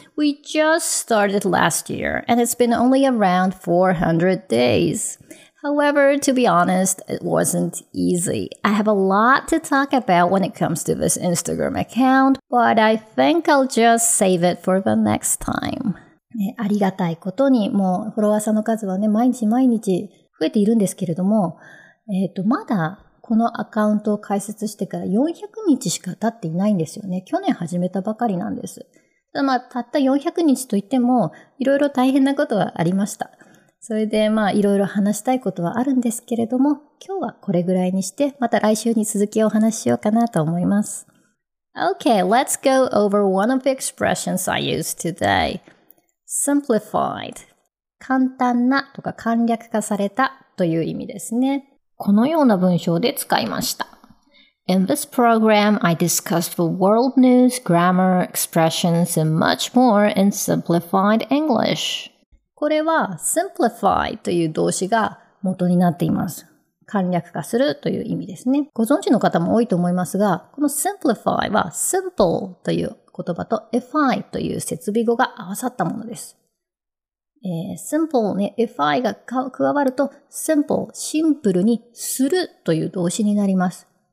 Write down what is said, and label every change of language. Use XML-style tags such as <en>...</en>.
<en>We just started last year, and it's been only around 400 days. However, to be honest, it wasn't easy. I have a lot to talk about when it comes to this Instagram account, but I think I'll just save it for the next time.</en> <ja>ね、ありがたいことに、もうフォロワーさんの数はね、毎日毎日増えているんですけれども、まだこのアカウントを開設してから400日しか経っていないんですよね。去年始めたばかりなんです。ただまあ、たった400日といっても、いろいろ大変なことはありました。それでまあ、いろいろ話したいことはあるんですけれども、今日はこれぐらいにして、また来週に続きお話ししようかなと思います。</ja> <en>Okay, let's go over one of the expressions I use today.Simplified.</en> <ja>簡単なとか簡略化されたという意味ですね。このような文章で使いました。</ja> <en>In this program, I discussed the world news, grammar, expressions, and much more in simplified English.</en> <ja>これは simplify という動詞が元になっています。簡略化するという意味ですね。ご存知の方も多いと思いますが、この simplify は simple という言葉と fi という接尾語が合わさったものです。 simple に fi が加わると simple、シンプルにするという動詞になります。</ja>